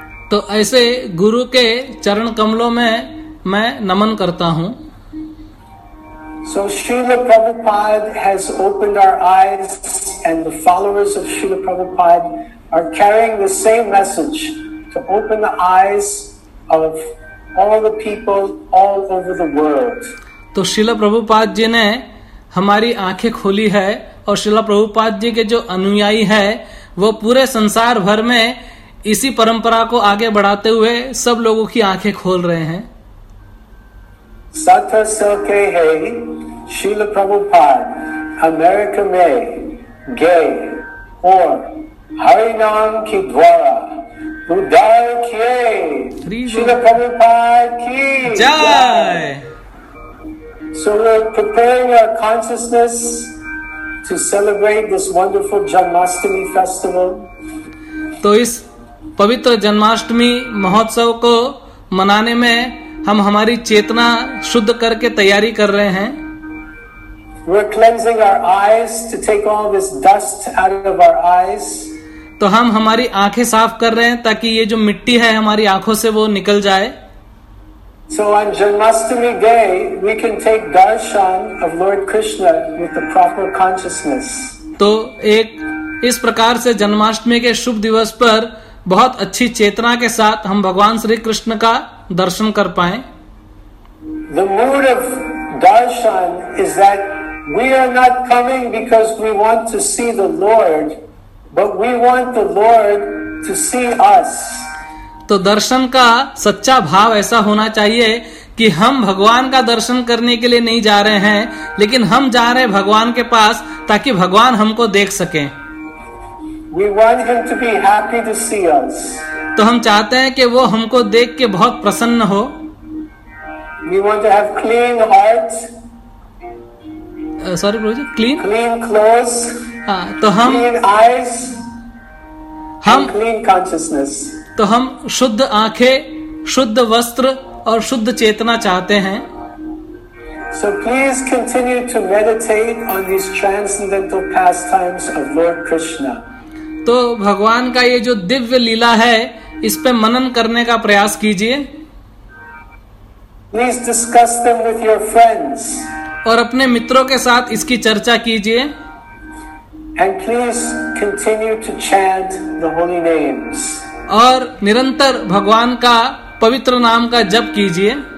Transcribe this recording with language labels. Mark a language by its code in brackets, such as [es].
[hi] तो ऐसे गुरु के चरण कमलों में मैं नमन करता हूँ. [en] So Srila Prabhupada has opened our eyes, and the followers of Srila Prabhupada are carrying the same message to open the eyes of all the people all over the world. [hi] तो श्रीला प्रभुपाद जी ने हमारी आंखें खोली है, और श्रीला प्रभुपाद जी के जो अनुयायी है वो पूरे संसार भर में इसी परंपरा को आगे बढ़ाते हुए सब लोगों की आंखें खोल रहे हैं. सत सके है श्रीला प्रभुपाद अमेरिका में गए और हरि नाम की द्वारा उदय किए. श्रीला प्रभुपाद की जय. [en] So we're preparing our consciousness to celebrate this wonderful Janmashtami festival. [hi] तो इस पवित्र जन्माष्टमी महोत्सव को मनाने में हम हमारी चेतना शुद्ध करके तैयारी कर रहे हैं. [en] We're cleansing our eyes to take all this dust out of our eyes. [hi] तो हम हमारी आंखें साफ कर रहे हैं ताकि ये जो मिट्टी है हमारी आंखों से वो निकल जाए. [en] So on Janmashtami day, we can take darshan of Lord Krishna with the proper consciousness. [hi] तो एक इस प्रकार से जन्माष्टमी के शुभ दिवस पर बहुत अच्छी चेतना के साथ हम भगवान श्री कृष्ण का दर्शन कर पाए. [en] The mood of darshan is that we are not coming because we want to see the Lord, but we want the Lord to see us. [hi] तो दर्शन का सच्चा भाव ऐसा होना चाहिए कि हम भगवान का दर्शन करने के लिए नहीं जा रहे हैं, लेकिन हम जा रहे हैं भगवान के पास ताकि भगवान हमको देख सकें. [en] We want him to be happy to see us. [hi] तो हम चाहते हैं कि वो हमको देख के बहुत प्रसन्न हो. [en] We want to have clean heart. Sorry Prabhu ji, clean clean close. [hi] तो हम [en] clean eyes, [hi] हम [en] Clean consciousness. [hi] तो हम शुद्ध आंखें, शुद्ध वस्त्र और शुद्ध चेतना चाहते हैं. [en] So please continue to meditate on these transcendental pastimes of Lord Krishna. [hi] तो भगवान का ये जो दिव्य लीला है इस पे मनन करने का प्रयास कीजिए. [en] Please discuss them with your friends. [hi] और अपने मित्रों के साथ इसकी चर्चा कीजिए. [en] And please continue to chant the holy names. [hi] और निरंतर भगवान का पवित्र नाम का जप कीजिए.